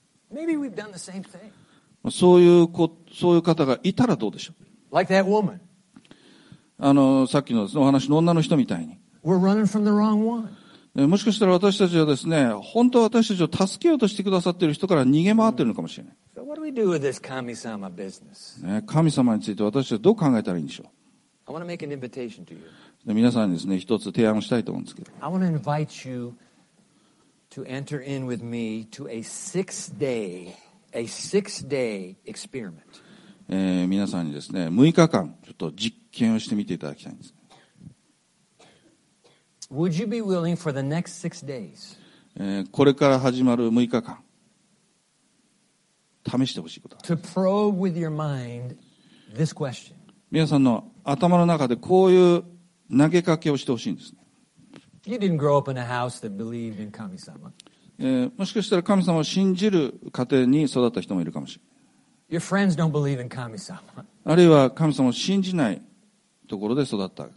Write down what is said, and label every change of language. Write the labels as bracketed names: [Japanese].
[English] Maybe we've done the same thing. [Japanese] そういう子、そういう方がいたらどうでしょう。 [English] Like that woman. [Japanese] あの、さっきのお話の女の人みたいに。 [English] We're running from the wrong one. [Japanese] もしかしたら私たちはですね、本当は私たちを助けようとしてくださっている人から逃げ回っているのかもしれない。 [English] So what do we do with this 神様 business? [Japanese] ね、神様について私たちはどう考えたらいいんでしょう。 [English] I want to make an invitation to you. [Japanese] 皆さんにですね、一つ提案をしたいと思うんですけど。 [English] I want to invite you to enter in with me to a six-day experiment. [Japanese] 皆さんにですね、6日間ちょっと実験をしてみていただきたいんです。 [English] Would you be willing for the next six days? [Japanese] これから始まる6日間、試してほしいこと。 [English] To probe with your mind this question. [Japanese] 皆さんの頭の中でこういう投げかけをしてほしいんです。 [English] You didn't grow up in a house that believed in 神様。 [Japanese] もしかしたら神様を信じる家庭に育った人もいるかもしれない。 [English] Your friends don't believe in 神様。 [Japanese] あるいは神様を信じないところで育った。